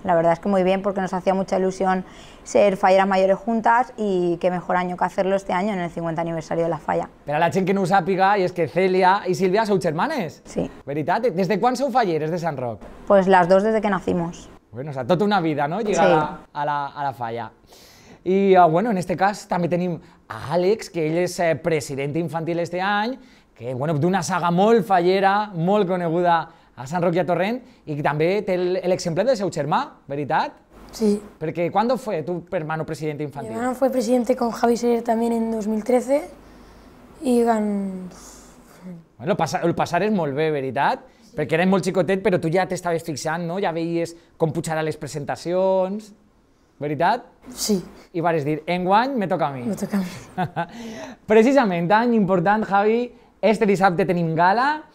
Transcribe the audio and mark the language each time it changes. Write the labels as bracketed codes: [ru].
[es] La verdad es que muy bien, porque nos hacía mucha ilusión ser falleras mayores juntas, y qué mejor año que hacerlo este año en el 50 aniversario de la falla. Pero [ca] la gent que no ho sàpiga, [es] y es que [ca] Celia y Silvia sou germanes. Sí. Veritat, ¿des de quan sou falleres de Sant Roc? [es] Pues las dos desde que nacimos. [ca] Bueno, [es] o sea, [ca] tota una vida, ¿no? [es] Llegar sí. a la falla. [ca] I bueno, en este cas també tenim a Àlex, que ell és president infantil este any, que bueno, d'una saga molt fallera, molt coneguda a Sant Roc i a Torrent, i també té l'exemple del seu germà, veritat? Sí. Perquè [es] quan fue tu hermano presidente infantil? Mi hermano fue presidente con Javi Serer también en 2013, y ganó... [ca] Bueno, el passar és molt bé, veritat? Sí. Perquè eres molt xicotet, però tu ja t'estaves fixant, no? Ja veies com pujarà les presentacions, veritat? Sí. I vares dir, enguany me toca a mi. Me toca a mi. Precisament, any important, Javi, este dissabte tenim gala.